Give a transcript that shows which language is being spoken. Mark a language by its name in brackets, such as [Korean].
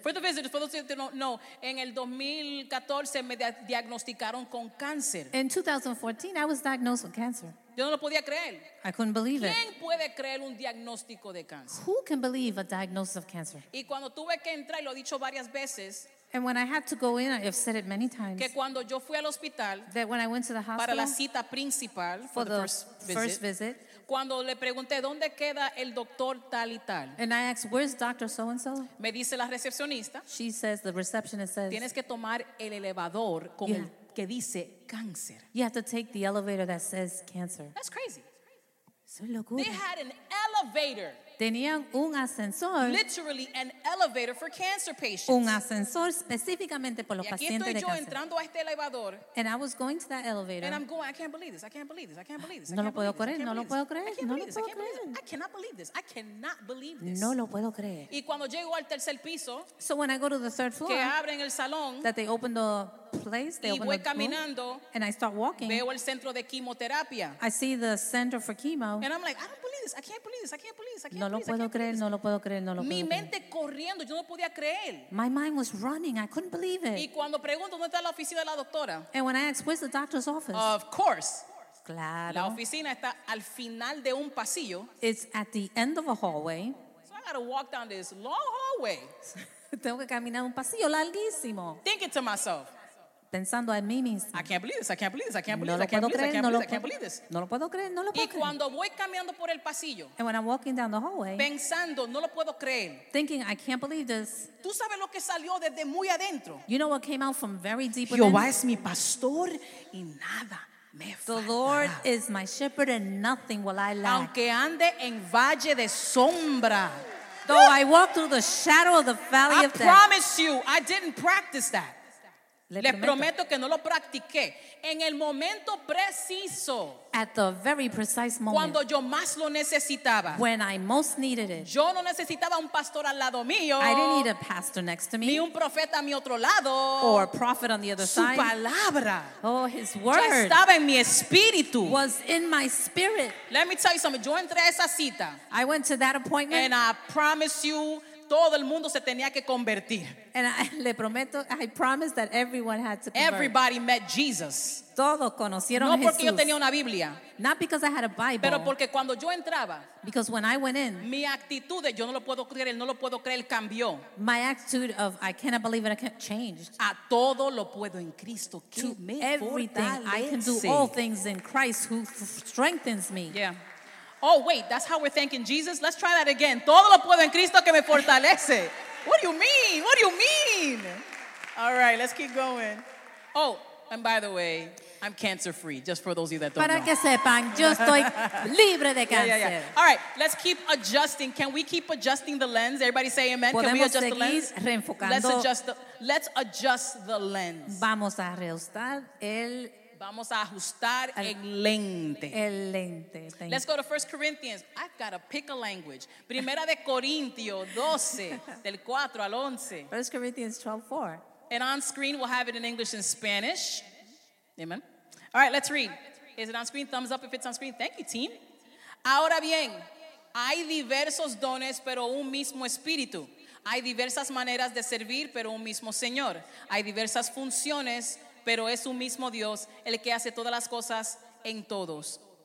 [English] For the visitors, for those who don't know, [Spanish] en el 2014 me diagnosticaron con cáncer. [English] In 2014, I was diagnosed with cancer. [Spanish] Yo no lo podía creer. [English] I couldn't believe [Spanish] ¿Quién [English] it. [Spanish] ¿Quién puede creer un diagnóstico de cáncer? [English] Who can believe a diagnosis of cancer? [Spanish] Y cuando tuve que entrar, lo he dicho varias veces. [English] And when I had to go in, I've said it many times. [Spanish] Que cuando yo fui al hospital. [English] That when I went to the hospital. [Spanish] Para la cita principal. [English] For the first visit. [Spanish] Cuando le pregunté dónde queda el doctor tal y tal. [English] And I asked, where's Dr. So-and-so? [Spanish] Me dice la recepcionista. [English] She says, the receptionist says. [Spanish] Tienes que tomar el elevador con el que dice cáncer. [English] You have to take the elevator that says cancer. That's crazy. [Spanish] Eso es locura. [English] They had an elevator. [Spanish] Tenían un ascensor. [English] Literally an elevator for cancer patients. [Spanish] Un ascensor específicamente por los pacientes de cáncer. Y aquí estoy yo entrando a este elevador. [English] And I was going to that elevator. And I'm going, I can't believe this, I can't believe this, I can't believe this. [Spanish] No lo puedo creer, no lo puedo creer. [English] I can't believe this, I can't believe this. I cannot believe this, I cannot believe this. [Spanish] No lo puedo creer. Y cuando llego al tercer piso. [English] So when I go to the third floor. [Spanish] Que abren el salón. [English] That they open the place, they [Spanish] y [English] open [Spanish] voy [English] the [Spanish] caminando. [English] Room, and I start walking. [Spanish] Veo el centro de quimioterapia. [English] I see the center for chemo. And I'm like, I don't believe this, I can't believe this, I can't believe this. [Spanish] No lo puedo creer, no lo puedo creer, no lo puedo creer. Mi mente corriendo, yo no podía creer. [English] My mind was running, I couldn't believe it. [Spanish] Y cuando pregunto, ¿dónde está la oficina de la doctora? [English] And when I asked, where's the doctor's office? Of course. [Spanish] Claro. La oficina está al final de un pasillo. [English] It's at the end of a hallway. So I gotta walk down this long hallway. [Spanish] Tengo que caminar un pasillo larguísimo. [English] Thinking to myself. [Spanish] Pensando en mí mismo. [English] I can't believe this. [Spanish] Y cuando voy caminando por el pasillo. [English] And when I'm walking down the hallway. [Spanish] Pensando, no lo puedo creer. [English] Thinking, I can't believe this. [Spanish] Tú sabes lo que salió desde muy adentro. [English] You know what came out from very deep within. [Spanish] Jehová es mi pastor y nada me faltará. [English] The Lord is my shepherd and nothing will I lack. [Spanish] Aunque ande en valle de sombra. [English] Though I walk through the shadow of the valley of death. I promise you, I didn't practice that. [Spanish] Les prometo que no lo practiqué en el momento preciso. [English] At the very precise moment. [Spanish] Cuando yo más lo necesitaba. [English] When I most needed it. [Spanish] Yo no necesitaba un pastor al lado mío. [English] I didn't need a pastor next to me. [Spanish] Ni un profeta a mi otro lado. [English] Or a prophet on the other side. [Spanish] Su palabra. [English] Oh, his word. [Spanish] Ya estaba en mi espíritu. [English] Was in my spirit. Let me tell you something. [Spanish] Yo entré a esa cita. [English] I went to that appointment. And I promise you, [Spanish] todo el mundo se tenía que convertir. [English] And I promise that everyone had to convert. Everybody met Jesus. [Spanish] Todos conocieron a Jesús. No porque yo tenía una Biblia. [English] Not because I had a Bible. [Spanish] Pero porque cuando yo entraba. [English] Because when I went in. [Spanish] Mi actitud de yo no lo puedo creer, no lo puedo creer, cambió. [English] My attitude of I cannot believe it, I can't, changed. [Spanish] A todo lo puedo en Cristo. [English] To everything, I can do all things in Christ who strengthens me. Yeah. Oh, wait, that's how we're thanking Jesus? Let's try that again. [Spanish] Todo lo puedo en Cristo que me fortalece. [English] What do you mean? What do you mean? All right, let's keep going. Oh, and by the way, I'm cancer-free, just for those of you that don't [Spanish] para Para que sepan, yo estoy libre de cáncer. [English] Yeah, yeah, yeah. All right, let's keep adjusting. Can we keep adjusting the lens? Everybody say amen. [Spanish] Podemos [English] can we adjust the lens? [Spanish] Reenfocando. [English] Let's adjust the lens. [Spanish] Vamos a reajustar el... Vamos a ajustar el lente. El lente. [English] Let's go to 1 Corinthians. I've got to pick a language. [Spanish] Primera de Corintio 12, del 4 al 11. [English] 1 Corinthians 12, 4. And on screen, we'll have it in English and Spanish. Amen. All right, let's read. Is it on screen? Thumbs up if it's on screen. Thank you, team. [Spanish] Ahora bien, hay diversos dones, pero un mismo espíritu. Hay diversas maneras de servir, pero un mismo Señor. Hay diversas funciones, pero es un mismo Dios el que hace todas las cosas en todos.